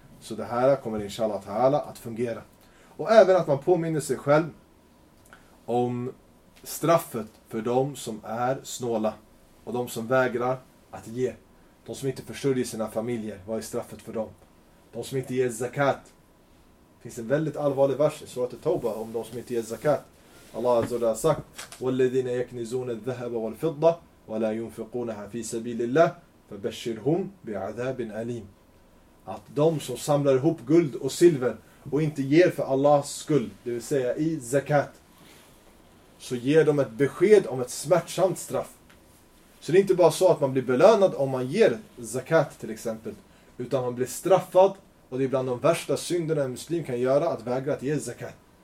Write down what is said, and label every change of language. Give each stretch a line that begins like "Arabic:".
Swedish: Så det här kommer inshallah ta'ala att fungera. Och även att man påminner sig själv om straffet för de som är snåla. Och de som vägrar att ge. De som inte försörjer sina familjer. Vad är straffet för dem? De som inte ger zakat. Det finns en väldigt allvarlig vers i surat al-Tawbah om de som inte ger zakat. Allah azzurra har sagt
Arabic: وَالَّذِينَ يَكْنِزُونَ الذَّهَبَ وَالْفِضَّةِ وَلَا يُنْفِقُونَهَا فِي سَبِيلِ اللَّهِ فَبَشِّرْهُمْ بِعَذَابٍ أَلِيمٍ.
Swedish: Att de som samlar ihop guld och silver och inte ger för Allahs skull, det vill säga i zakat, så ger de ett besked om ett smärtsamt straff. Så det är inte bara så att man blir belönad om man ger zakat till exempel, utan man blir straffad, och det är bland de värsta synderna en muslim kan göra att vägra att ge zakat.